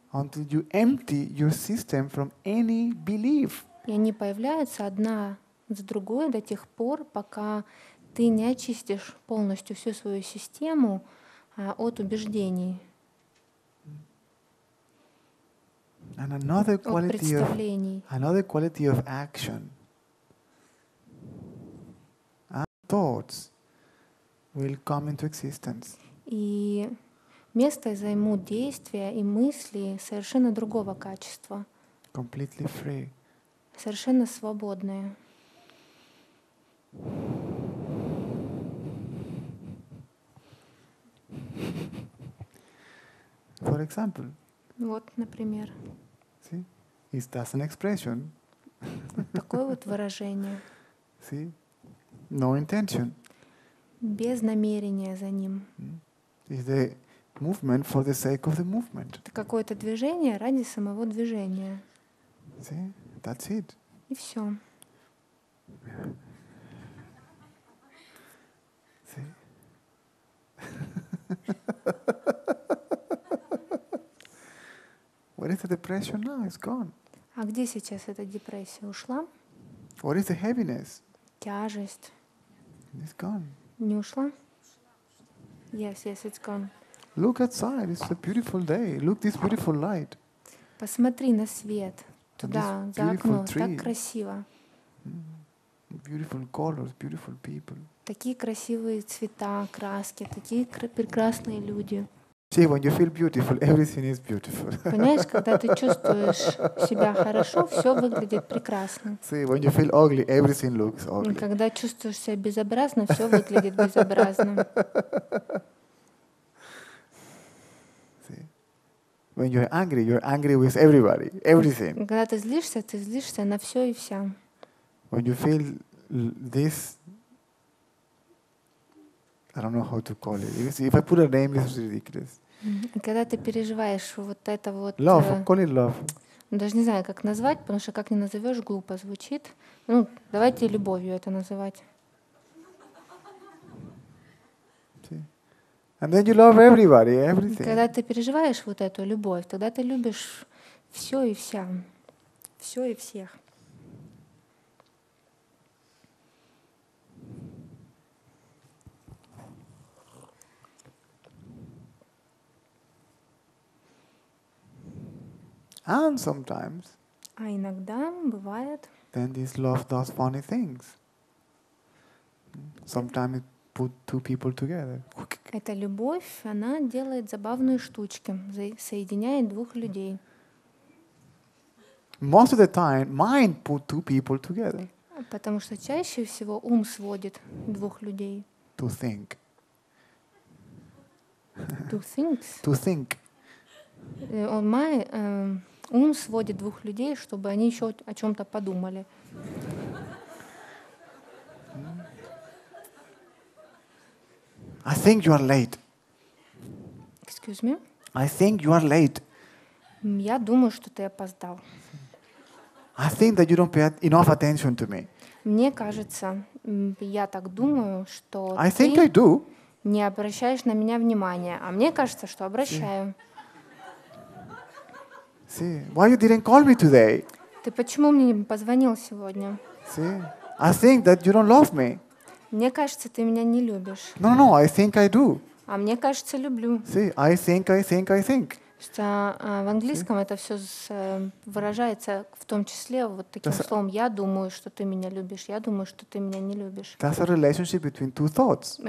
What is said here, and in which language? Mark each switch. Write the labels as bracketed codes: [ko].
[en] Until you empty your system from any belief. [ru] И они появляются одна за другой до тех пор, пока ты не очистишь полностью всю свою систему от убеждений. [en] And another quality [ru] от представлений. [en] Of, another quality of action. And thoughts will come into existence. [ru] И место займут действия и мысли совершенно другого качества. [en] Completely free. [ru] Совершенно свободные. [en] For example. [ru] Вот, например. [en] See? It's just an expression. [ru] Вот такое вот выражение. [en] See? No intention. [ru] Без намерения за ним. [en] It's the movement for the sake of the movement. [ru] Это какое-то движение ради самого движения. [en] See? That's it. [ru] И все. [en] See? Where is the depression now? It's gone. [ru] А где сейчас эта депрессия ушла? [en] What is the heaviness? [ru] Тяжесть. [en] It's gone. [ru] Не ушла? [en] Yes, yes, it's gone. Look outside. It's a beautiful day. Look this beautiful light. [ru] Посмотри на свет. Туда, за окно. [en] Tree. [ru] Так красиво. [en] Beautiful colors, beautiful people. [ru] Такие красивые цвета, краски, такие прекрасные люди. [en] See, when you feel beautiful, everything is beautiful. [ru] Понимаешь, когда ты чувствуешь себя хорошо, все выглядит прекрасно. [en] See, when you feel ugly, everything looks ugly. [ru] И когда чувствуешь себя безобразно, все выглядит безобразно. [en] See, when you're angry with everybody, everything. [ru] Когда ты злишься на все и вся. [en] When you feel this, I don't know how to call it. If I put a name, it's ridiculous. [ru] Когда ты переживаешь вот это вот. [en] Love, call it love. [ru] Даже не знаю, как назвать, потому что как не назовешь, глупо звучит. Ну, давайте любовью это называть. [en] See? And then you love everybody, everything. [ru] Когда ты переживаешь вот эту любовь, тогда ты любишь все и вся, все и всех. [en] And sometimes. [ru] А иногда бывает. [en] Then this love does funny things. Sometimes it put two people together. [ru] Эта любовь, она делает забавные штучки, соединяет двух людей. [en] Most of the time, mind put two people together. [ru] Потому что чаще всего ум сводит двух людей. [en] To think. To things. To think. On my [ru] ум сводит двух людей, чтобы они еще о чем-то подумали. [en] I think you are late. Excuse me? I think you are late. [ru] Я думаю, что ты опоздал. [en] I think that you don't pay enough attention to me. [ru] Мне кажется, я так думаю, что [en] I think I do. [ru] Не обращаешь на меня внимания, а мне кажется, что обращаю. [en] See, why you didn't call me today? [ru] Ты почему мне не позвонил сегодня? [en] See, I think that you don't love me. [ru] Мне кажется, ты меня не любишь. [en] No, no, I think I do. [ru] А мне кажется, люблю. [en] See, I think. [ru] Что в английском [en] See? [ru] Это все выражается в том числе вот таким [en] That's [ru] словом. Я думаю, что ты меня любишь. Я думаю, что ты меня не любишь. [en] That's a relationship between two thoughts.